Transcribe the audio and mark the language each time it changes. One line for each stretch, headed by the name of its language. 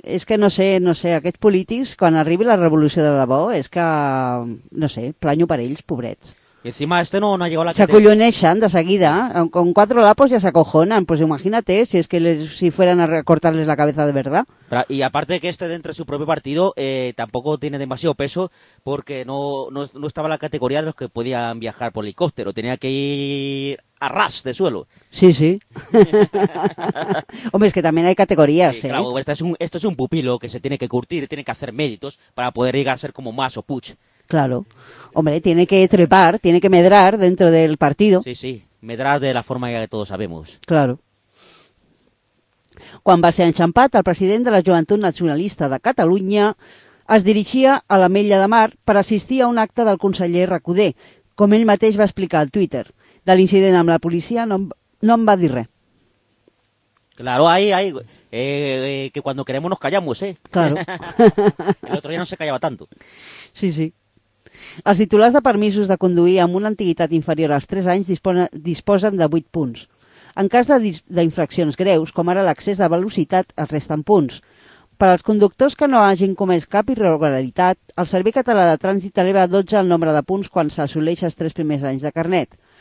Catalan: És que no sé, aquests polítics, quan arribi la revolució de debò, és que, no sé, planyo per ells, pobrets.
Spanish: I encima este no ha llegat la...
Catalan: S'acolloneixen de seguida,
Spanish: con cuatro lapos ya se acojonan, pues imagínate si es que si fueran a cortarles la cabeza de verdad. Y aparte que este dentro de su propio partido tampoco tiene demasiado peso porque no estaba en la categoría de los que podían viajar por helicóptero, tenía que ir a ras de suelo. Sí, sí. Hombre, es que también hay categorías, sí, ¿eh? Claro, esto es un pupilo que se tiene que curtir, tiene que hacer méritos para poder llegar a ser como Mas o Puig. Claro. Hombre, tiene que trepar, tiene que medrar dentro del partido. Sí, sí, medrar de la forma que todos sabemos. Claro.
Catalan: Quan va ser enxampat, el president de la Joventut Nacionalista de Catalunya es dirigia a l'Ametlla de Mar per assistir a un acte del conseller Recoder, com ell mateix va explicar al Twitter. De l'incident amb la policia no em va dir res.
Spanish: Claro, ahí, que cuando queremos nos callamos, ¿eh? Claro. El otro día no se callaba tanto. Sí, sí.
Catalan: Els titulars de permisos de conduir amb una antiguitat inferior als 3 anys disposen de 8 punts. En cas d'infraccions greus, com ara l'excés de velocitat, es resten punts. Per als conductors que no hagin comès cap irregularitat, el Servei Català de Trànsit eleva 12 el nombre de punts quan s'assoleix els 3 primers anys de carnet.